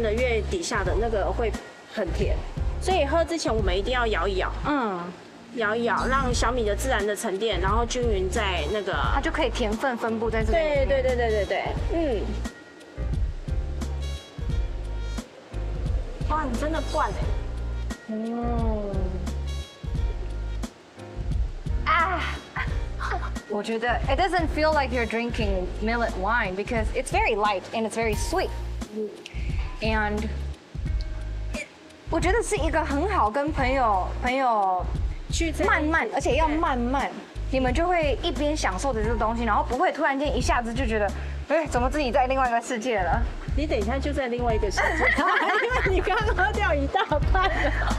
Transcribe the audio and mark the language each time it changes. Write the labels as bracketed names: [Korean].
[Chinese] 的越底下的那个会很甜。所以喝之前我们一定要摇一摇，摇一摇，让小米的自然的沉淀，然后均匀在那个，它就可以甜分分布在这里。对对对对对对，哇，你真的灌哎，我觉得 [English] it doesn't feel like you're drinking millet wine because it's very light and it's very sweet, and. [Chinese] 我觉得是一个很好跟朋友去慢慢，而且要慢慢，你们就会一边享受着这个东西，然后不会突然间一下子就觉得，哎，怎么自己在另外一个世界了？你等一下就在另外一个世界，因为你刚喝掉一大半了。